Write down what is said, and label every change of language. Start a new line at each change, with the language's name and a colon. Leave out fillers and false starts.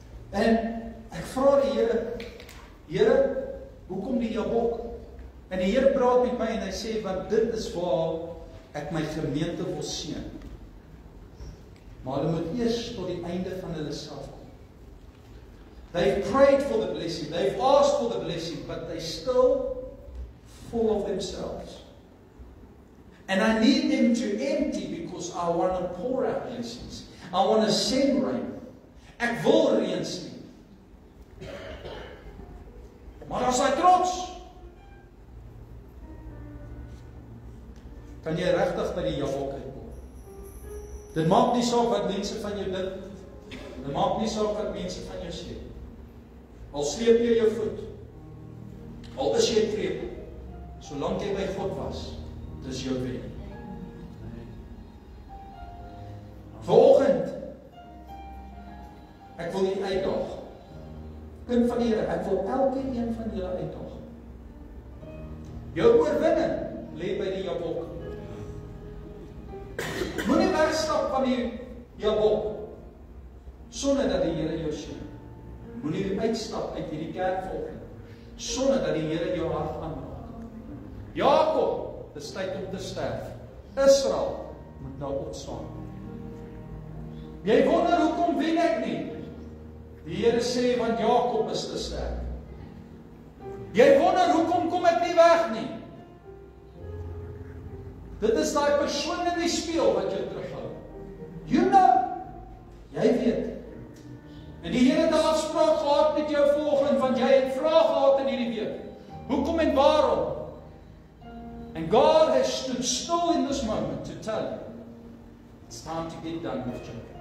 Afrikaans: En ek vra die Here, Here, hoekom die Jakob? En die Here praat met my en hy sê, want dit is waar ek my gemeente wil seën. Maar hulle moet eers tot die einde van hulle self kom.
English: They've prayed for the blessing, they've asked for the blessing, but they still full of themselves. And I need them to empty because I want to pour out blessings. I want to send rain.
Afrikaans: Ek wil reën sien. Maar as hy trots, kan jy regtig by die Jakob uitkom. Dit maak nie saak wat mense van jou dink. Dit maak nie saak wat mense van jou sê. Al sleep jy jou voet. Al is jy krepel. Solank jy by God was, dis jou weg. Volgend, ek wil jy uitdag. Kind van die Here, ek wil elke een van julle uitdag. Jou oorwinning lê by die Jabok. Moenie wegstap van die Jabok sonder dat die Here jou sien. Moenie uitstap uit hierdie kerk volgende sonder dat die Here jou hart aanraak. Jakob, dis tyd om te sterf. Israel moet nou opstaan. Jy wonder hoekom wen ek nie. Die Here sê, want Jakob is te sterk. Jy wonder hoekom kom ek nie weg nie. Dit is daai persoon in die speel wat jou terughou.
English: You know,
Afrikaans: jy weet. En die Here het 'n afspraak gehad met jou volgende, want jy het vrae gehad in hierdie week. Hoekom en waarom?
English: And God has stood still in this moment to tell you, it's time to get done with you.